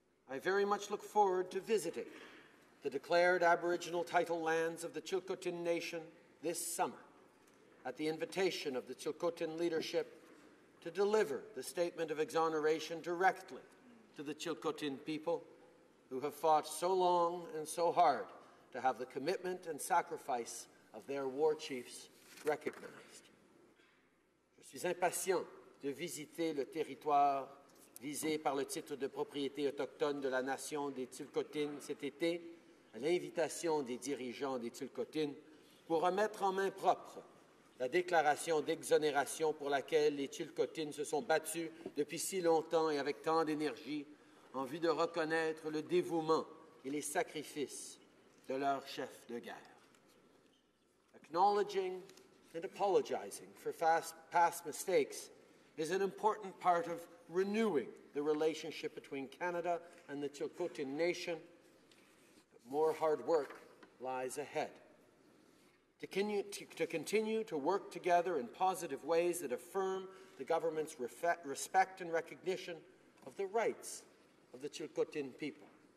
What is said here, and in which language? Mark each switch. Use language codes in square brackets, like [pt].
[en] I very much look forward to visiting the declared Aboriginal title lands of the Tsilhqot’in Nation this summer, at the invitation of the Tsilhqot’in leadership to deliver the statement of exoneration directly to the Tsilhqot’in people who have fought so long and so hard to have the commitment and sacrifice of their war chiefs recognized. [fr] Je suis impatient de visiter le territoire visé par le titre de propriété autochtone de la nation des Tsilhqot’in cet été à l'invitation des dirigeants des Tsilhqot’in pour remettre en main propre la déclaration d'exonération pour laquelle les Tsilhqot’in se sont battus depuis si longtemps et avec tant d'énergie en vue de reconnaître le dévouement et les sacrifices de leur chef de guerre. [en] Acknowledging and apologizing for past mistakes is an important part of renewing the relationship between Canada and the Tsilhqot’in Nation, more hard work lies ahead. To continue to work together in positive ways that affirm the government's respect and recognition of the rights of the Tsilhqot’in people.